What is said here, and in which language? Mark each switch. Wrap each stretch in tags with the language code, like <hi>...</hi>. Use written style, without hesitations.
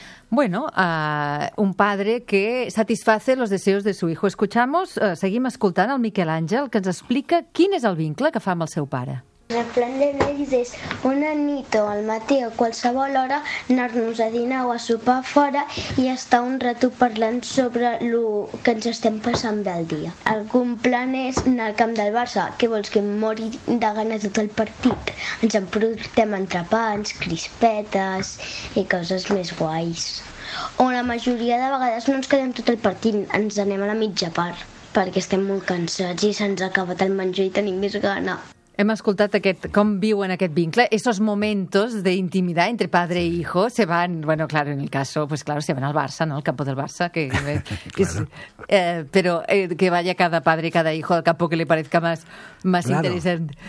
<es>Bueno, un padre que satisface los deseos de su hijo. Escuchamos,</es> <ca>seguim escoltant el Miquel Àngel, que ens explica quin és el vincle que fa amb el seu pare. El plan de ells és una nit o al matí o qualsevol hora anar-nos a dinar o a sopar fora i estar un rato parlant sobre el que ens estem passant del dia. Algun plan és anar al camp del Barça, que vols que mori de gana tot el partit? Ens en portem entrepans, crispetes i coses més guais. O la majoria de vegades no ens quedem tot el partit, ens anem a la mitja part perquè estem molt cansats i se'ns ha acabat el menjar i tenim més gana. Hem escoltat com viuen aquest vincle,</ca> <es>esos momentos de intimidad entre padre e hijo, se van, bueno, claro, en el caso, pues claro, se van al Barça, ¿no?, al campo del Barça, que vaya cada padre y cada hijo al campo que le parezca más claro, interesante.</es>